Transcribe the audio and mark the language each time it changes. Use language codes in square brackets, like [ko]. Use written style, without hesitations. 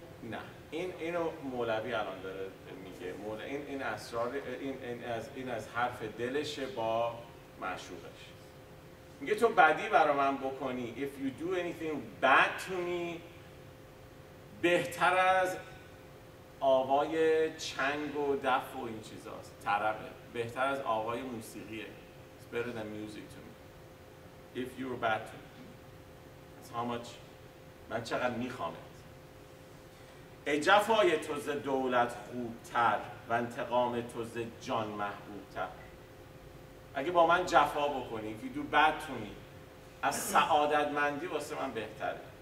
[fa] نه این اینو مولوی الان داره میگه مولا این اسرار این از حرف دلشه با معشوقش. میگه تو بدی برا من بکنی [en] if you do anything bad to me [fa] بهتر از آوای چنگ و دف و این چیزاست، طربه بهتر از آوای موسیقیه. [en] It's better than music to me if you were bad to me. That's how much [fa] من چقدر میخوامت. ای جفای تو ز دولت خوبتر و انتقام تو ز جان محبوبتر. اگه با من جفا بکنی [en] if you do bad to me [fa] از سعادتمندی واسه من بهتره.